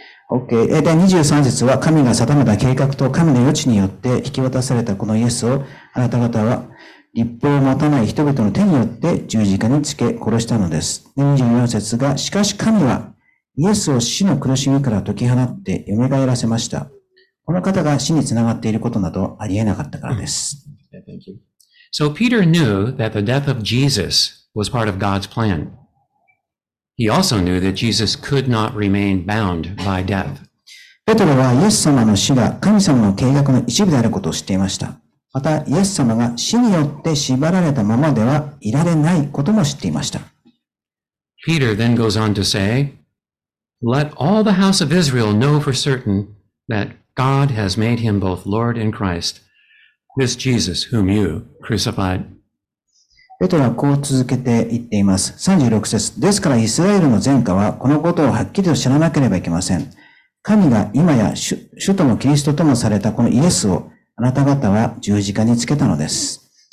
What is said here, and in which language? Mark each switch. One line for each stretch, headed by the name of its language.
Japanese: OK、で、23節は神が定めた計画と神の予知によって引き渡されたこのイエスを、あなた方は立法を待たない人々の手によって十字架につけ殺したのです。で、24節が、しかし神はイエスを死の苦しみから解き放って蘇らせました。この方が死につながっていることなどありえなかったからです。
English: Thank you. So Peter knew that the death of Jesus was part of God's plan. He also knew that Jesus could not remain bound by death.
Japanese: ペトロはイエス様の死が神様の計画の一部であることを知っていました。またイエス様が死によって縛られたままではいられないことも知っていました。
English: Peter then goes on to say, Let all the house of Israel know for certain that God has made him both Lord and Christ, this Jesus whom you crucified.
Japanese: ペトロはこう続けて言っています。36節。ですからイスラエルの全家はこのことをはっきりと知らなければいけません。神が今や主ともキリストともされたこのイエスをあなた方は十字架につけたのです。